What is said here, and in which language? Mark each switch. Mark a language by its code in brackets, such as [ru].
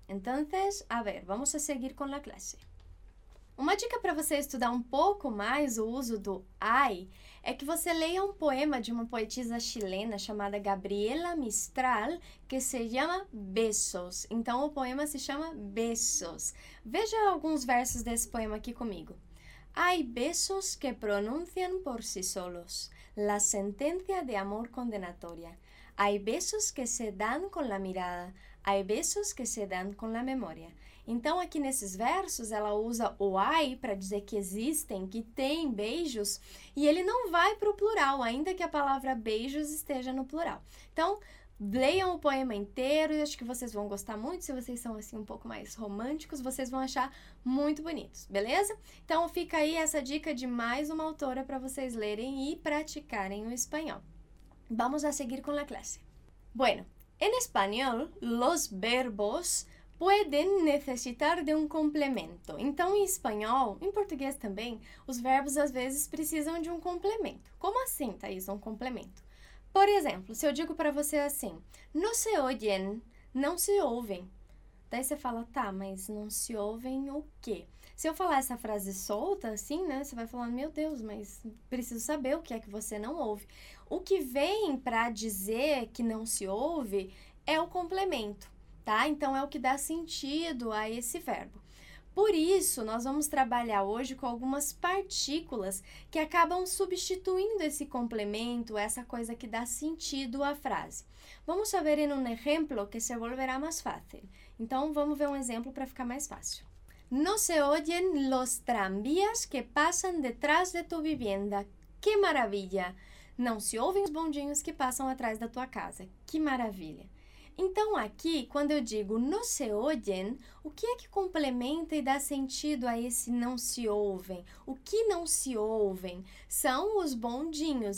[es] Entonces, a ver, vamos a seguir con la clase. [pt] Uma dica para você estudar um pouco mais o uso do hay é que você leia um poema de uma poetisa chilena chamada Gabriela Mistral, que se chama Besos. Então, o poema se chama Besos. Veja alguns versos desse poema aqui comigo. [es] Hay besos que pronuncian por sí solos la sentencia de amor condenatoria. Hay besos que se dan con la mirada. Hay besos que se dan con la memoria. [pt] Então, aqui nesses versos, ela usa o hay para dizer que existem, que tem beijos, e ele não vai para o plural, ainda que a palavra beijos esteja no plural. Então, leiam o poema inteiro, e acho que vocês vão gostar muito. Se vocês são assim um pouco mais românticos, vocês vão achar muito bonitos, beleza? Então, fica aí essa dica de mais uma autora para vocês lerem e praticarem o espanhol. Vamos a seguir com a classe. [es] Bueno, en español, los verbos pueden necesitar de un complemento. [pt] Então, em espanhol, em português também, os verbos às vezes precisam de um complemento. Como assim, Thaís, um complemento? Por exemplo, se eu digo para você assim, [es] no se oyen, [pt] não se ouvem. Daí você fala, tá, mas não se ouvem o quê? Se eu falar essa frase solta, assim, né, você vai falar, meu Deus, mas preciso saber o que é que você não ouve. O que vem para dizer que não se ouve é o complemento. Tá? Então, é o que dá sentido a esse verbo. Por isso, nós vamos trabalhar hoje com algumas partículas que acabam substituindo esse complemento, essa coisa que dá sentido à frase. Vamos ver em um exemplo que se volverá mais fácil. Então, vamos ver um exemplo para ficar mais fácil. [es] No se oyen los tranvías que pasan detrás de tu vivienda. [pt] Que maravilha! Não se ouvem os bondinhos que passam atrás da tua casa. Que maravilha! Então, aqui, quando eu digo não se ouvem, o que é que complementa e dá sentido a esse não se ouvem? O que não se ouvem? São os bondinhos.